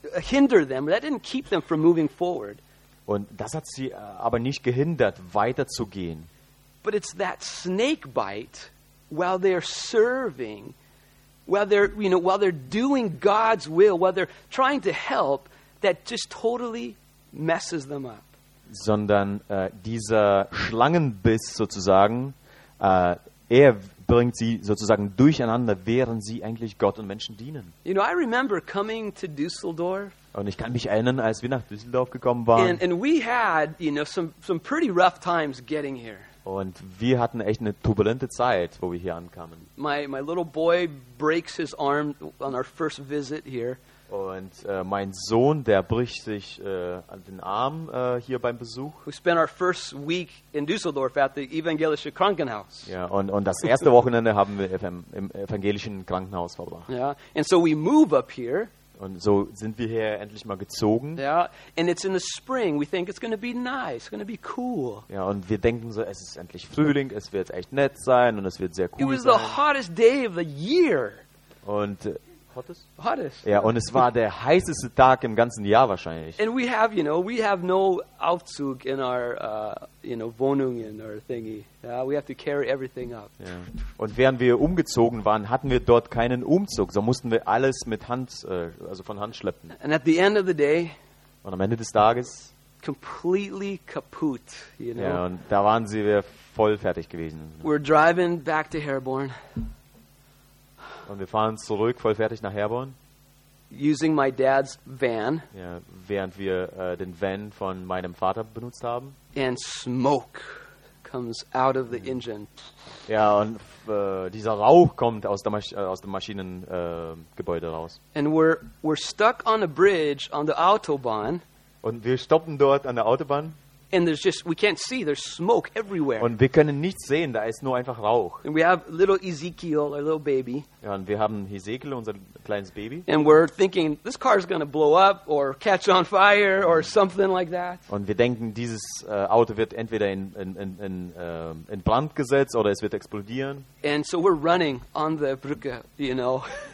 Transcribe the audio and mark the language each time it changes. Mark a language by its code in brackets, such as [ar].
[en] And then that didn't keep them from moving forward. [de] Und das hat sie aber nicht gehindert, weiterzugehen. [en] But it's that snake bite while they're serving, while they're, you know, while they're doing God's will, while they're trying to help, that just totally messes them up. [de] Sondern dieser Schlangenbiss sozusagen, er bringt sie sozusagen durcheinander, während sie eigentlich Gott und Menschen dienen. [en] You know, I remember coming to Düsseldorf. [de] Und ich kann mich erinnern, als wir nach Düsseldorf gekommen waren. [en] And we had, you know, some pretty rough times getting here. [de] Und wir hatten echt eine turbulente Zeit, wo wir hier ankamen. [en] My little boy breaks his arm on our first visit here. [de] Und mein Sohn, der bricht sich den Arm hier beim Besuch. [en] We spent our first week in Düsseldorf at the evangelische Krankenhaus. [de] Ja, und das erste Wochenende haben wir im evangelischen Krankenhaus verbracht. [en] Yeah, and so we move up here. [de] Und so sind wir hier endlich mal gezogen. [en] Ja, and it's in the spring. We think it's going to be nice. It's going to be cool. [de] Ja, und wir denken so, es ist endlich Frühling. Es wird echt nett sein und es wird sehr cool sein. [en] It was the hottest day of the year. [de] Und [en] hottest. [de] Ja, und es war der heißeste Tag im ganzen Jahr wahrscheinlich. [en] And we have, you know, no Aufzug in our, you know, Wohnungen or thingy. Yeah, we have to carry everything up. [de] Ja. Und während wir umgezogen waren, hatten wir dort keinen Umzug, so mussten wir alles mit Hand, also von Hand schleppen. [en] And at the end of the day, [de] und am Ende des Tages, [en] completely kaputt, you know. [de] Ja, und da waren wir voll fertig gewesen. [en] We're driving back to Herborn. [de] Und wir fahren zurück, voll fertig nach Herborn. [en] using my dad's van. [de] Ja, während wir den Van von meinem Vater benutzt haben. [en] And smoke comes out of the engine. [de] Ja, und dieser Rauch kommt aus dem Maschinengebäude raus. [en] And we're stuck on a bridge on the Autobahn. [de] Und wir stoppen dort an der Autobahn. [en] And there's just, we can't see, there's smoke everywhere. [de] Und wir können nichts sehen, da ist nur einfach Rauch. [en] And we have little Ezekiel, our little baby. [de] Ja, und wir haben Ezekiel, unser kleines Baby. [en] And we're thinking, this car is going to blow up or catch on fire or something like that. [de] Und wir denken, dieses Auto wird entweder in Brand gesetzt oder es wird explodieren. [en] And so we're running on the Brücke, you know.